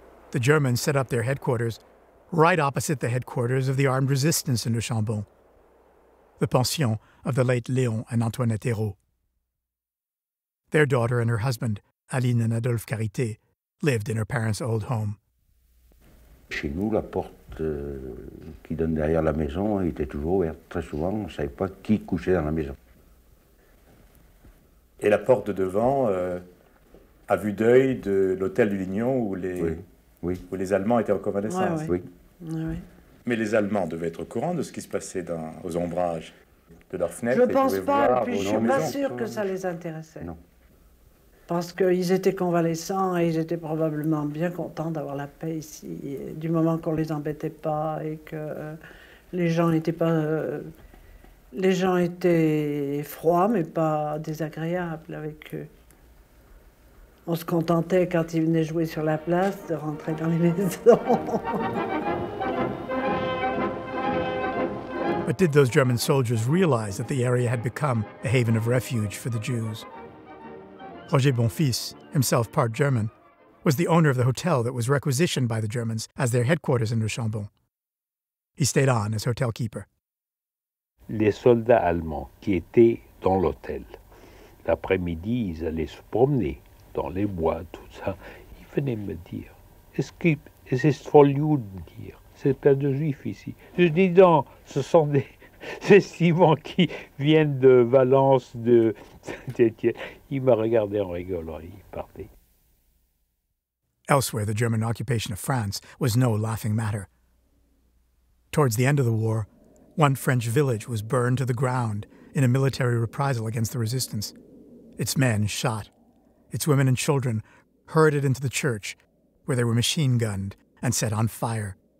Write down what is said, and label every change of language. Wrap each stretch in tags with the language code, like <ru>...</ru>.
<en>The Germans set up their headquarters right opposite the headquarters of the armed resistance in Le Chambon. The pension of the late Léon and Antoinette Hérault. Their daughter and her husband, Aline and Adolphe Carité, lived in her parents' old home.</en> <fr>Chez nous, la porte qui donne derrière la maison était toujours ouverte. Très souvent, on ne savait pas qui couchait dans la maison. Et la porte de devant, à vue d'œil de l'hôtel du Lignon où les, oui. Où les Allemands étaient en convalescence. Ouais, ouais. Oui. Mais les Allemands devaient être au courant de ce qui se passait dans, aux ombrages de leurs fenêtres. Je ne pense pas, et puis je ne suis pas sûre que ça les intéressait. Non. Parce qu'ils étaient convalescents et ils étaient probablement bien contents d'avoir la paix ici, du moment qu'on ne les embêtait pas et que les gens n'étaient pas... les gens étaient froids, mais pas désagréables avec eux. On se contentait, quand ils venaient jouer sur la place, de rentrer dans les maisons.</fr> <en>But did those German soldiers realize that the area had become a haven of refuge for the Jews? Roger Bonfils, himself part German, was the owner of the hotel that was requisitioned by the Germans as their headquarters in Rochambeau. He stayed on as hotel keeper.</en> <fr>Les soldats allemands qui étaient dans l'hôtel, l'après-midi, ils allaient se promener dans les bois, tout ça. Ils venaient me dire, est-ce for you de dire, c'est plein de juifs ici. Je dis non, ce sont des estivants qui viennent de Valence, de Saint-Étienne. Ils me regardaient en rigolant, ils partaient.</fr> <en>Elsewhere, the German occupation of France was no laughing matter. Towards the end of the war, one French village was burned to the ground in a military reprisal against the resistance. Its men shot. Its women and children herded into the church, where they were machine-gunned and set on fire.</en>